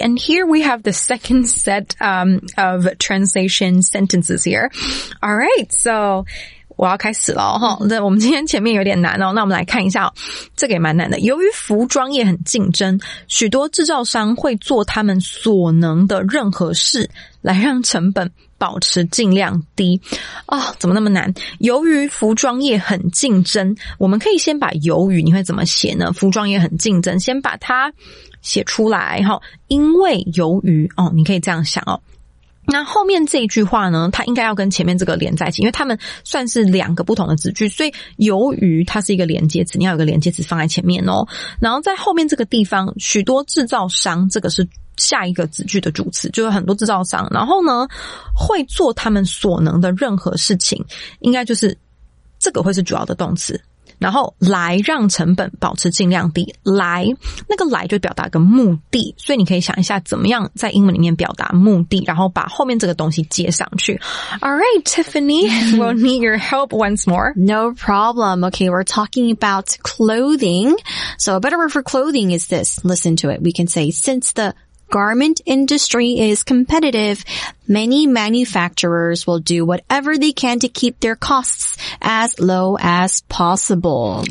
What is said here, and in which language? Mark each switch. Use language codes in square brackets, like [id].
[en] And here we have the second set, of translation sentences here. Alright, so, [zh] 我要开始咯，齁。那我们今天前面有点难哦，那我们来看一下，这个也蛮难的。由于服装业很竞争，许多制造商会做他们所能的任何事来让成本保持尽量低。哦，怎么那么难？由于服装业很竞争，我们可以先把由于你会怎么写呢？服装业很竞争，先把它写出来，齁。因为由于，哦，你可以这样想哦。那后面这一句话呢，它应该要跟前面这个连在一起，因为它们算是两个不同的子句，所以由于它是一个连接词，你要有个连接词放在前面哦。然后在后面这个地方，许多制造商，这个是下一个子句的主词，就是很多制造商，然后呢会做他们所能的任何事情，应该就是这个会是主要的动词，然后来让成本保持尽量低，来，那个来就表达个目的，所以你可以想一下怎么样在英文里面表达目的，然后把后面这个东西接上去。 [en] Alright, Tiffany, we'll need your help once more. No problem. Okay, we're talking about clothing. So a better word for clothing is this. Listen to it. We can say, since the garment industry is competitive, many manufacturers will do whatever they can to keep their costs as low as possible.